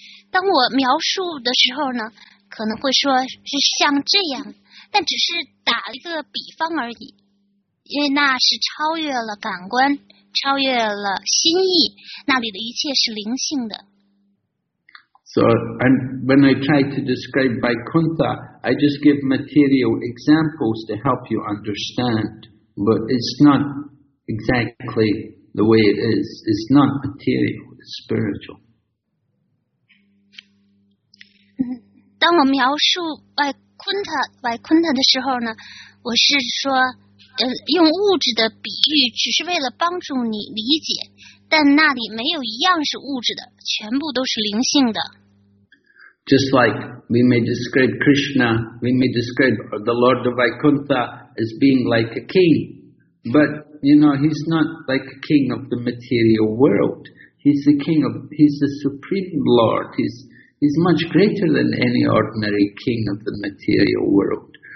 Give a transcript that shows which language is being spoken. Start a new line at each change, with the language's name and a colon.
Chinese: 当我描述的时候呢，可能会说是像这样，但只是打一个比方而已，因为那是超越了感官。超越了心意，那里的一切是灵性的。
English: So, and when I try to describe Vaikuntha, I just give material examples to help you understand, but it's not exactly the way it is. It's not material, spiritual.
Chinese: 当我描述外昆塔的时候呢，我是说，用物质的比喻，只是为了帮助你理解。但那里没有一样是物质的，全部都是灵性的。
English: Just like we may describe Krishna, we may describe the Lord of Vaikuntha as being like a king, but you know he's not like a king of the material world. He's the king of, he's the supreme Lord. He's much greater than any ordinary king of the material world.